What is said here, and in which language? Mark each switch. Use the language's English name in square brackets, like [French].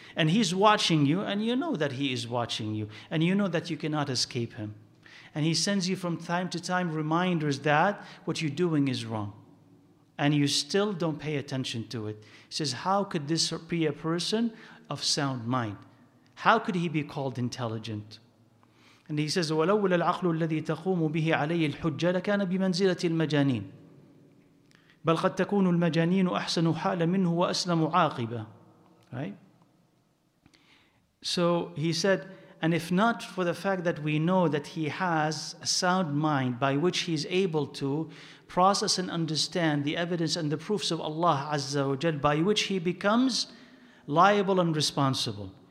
[English] And he's watching you, and you know that he is watching you. And you know that you cannot escape him. And he sends you from time to time reminders that what you're doing is wrong. And you still don't pay attention to it. He says, how could this be a person of sound mind? How could he be called intelligent? And he says, [Arabic] ولولا العقل الذي تقوم به عليه الحجة لكان بمنزلة المجانين بل قد تكون المجانين أحسن حالا منه وأسلم عاقبة. [English] Right? So he said, and if not for the fact that we know that he has a sound mind by which he is able to process and understand the evidence and the proofs of Allah Azza wa Jal, by which he becomes liable and responsible.